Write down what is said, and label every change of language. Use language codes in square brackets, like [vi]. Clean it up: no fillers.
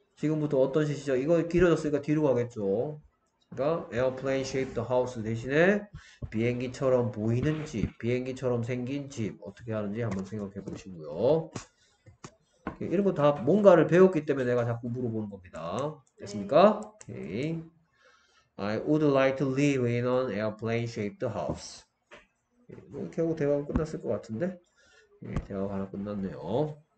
[ko] 지금부터 어떤 시죠? 이거 길어졌으니까 뒤로 가겠죠. 그러니까 에어플레인 쉐이프드 하우스 대신에 비행기처럼 보이는 집, 비행기처럼 생긴 집 어떻게 하는지 한번 생각해 보시고요. 이런 거다 뭔가를 배웠기 때문에 내가 자꾸 물어보는 겁니다. 됐습니까? 오케이. [en] I would like to live in an airplane shaped house. [ko] 뭐 이렇게 하고 대화가 끝났을 것 같은데? 예, 대화가 하나 끝났네요.